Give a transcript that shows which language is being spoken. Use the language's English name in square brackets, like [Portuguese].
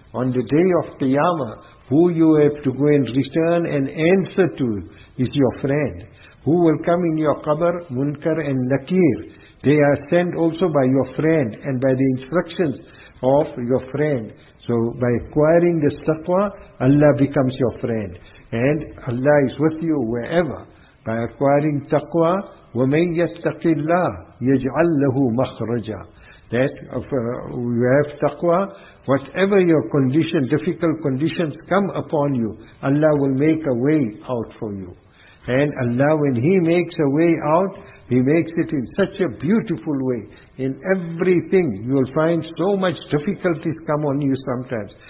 [English] On the day of Qiyamah, who you have to go and return an answer to is your friend. Who will come in your qabr? Munkar and Nakir. They are sent also by your friend and by the instructions of your friend. So by acquiring the taqwa, Allah becomes your friend. And Allah is with you wherever. By acquiring taqwa, [Arabic] وَمَنْ يَتَّقِ اللَّهِ يَجْعَلْ لَهُ مَخْرَجًا. [English] That you have taqwa, whatever your condition, difficult conditions come upon you, Allah will make a way out for you. And Allah, when He makes a way out, He makes it in such a beautiful way. In everything, you will find so much difficulties come on you sometimes.